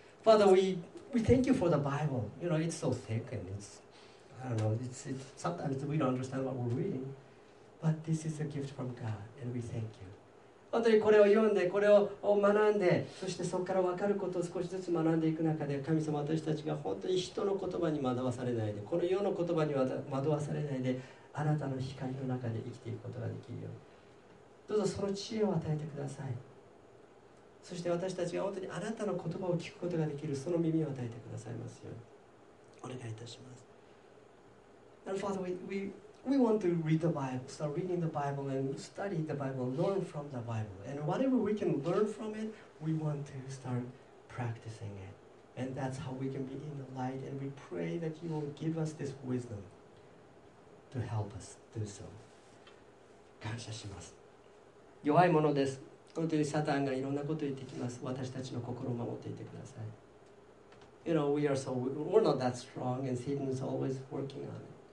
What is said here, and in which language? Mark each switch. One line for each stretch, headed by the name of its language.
English: Father, we thank you for the Bible. You know, it's so thick and it's, I don't know, it's sometimes we don't understand what we're reading, but this is a gift from God and we thank you.
Japanese: 本当にこれを読んで、これを学んで、そしてそこからわかることを少しずつ学んでいく中で、神様、私たちが本当に人の言葉に惑わされないで、この世の言葉に惑わされないで、あなたの光の中で生きていくことができるように。どうぞその知恵を与えてください。そして私たちが本当にあなたの言葉を聞くことができる、その耳を与えてくださいますように。お願いいたします。
English: And Father, We want to read the Bible, start reading the Bible and study the Bible, learn from the Bible. And whatever we can learn from it, we want to start practicing it. And that's how we can be in the light, and we pray that you will give us this wisdom to help us do so.
Japanese: 感謝します。弱いものです。本当にサタンがいろんなことを言ってきます。私たちの心を守っていてください。
English: You know, we are so, we're not that strong, and Satan is always working on it.